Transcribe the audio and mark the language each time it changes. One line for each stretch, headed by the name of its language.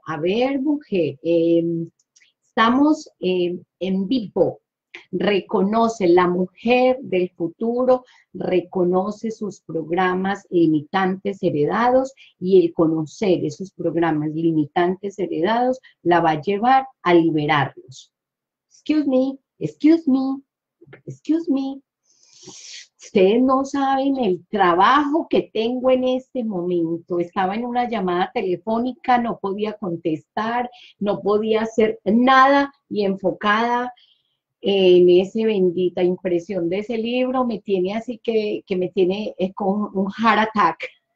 Spanish: A ver, mujer. Estamos en vivo. Reconoce, la mujer del futuro reconoce sus programas limitantes heredados y el conocer esos programas limitantes heredados la va a llevar a liberarlos.
English: Excuse me, excuse me, excuse me.
Spanish: Ustedes no saben el trabajo que tengo en este momento. Estaba en una llamada telefónica, no podía contestar, no podía hacer nada y enfocada en esa bendita impresión de ese libro, me tiene así que me tiene es con un
English: heart attack.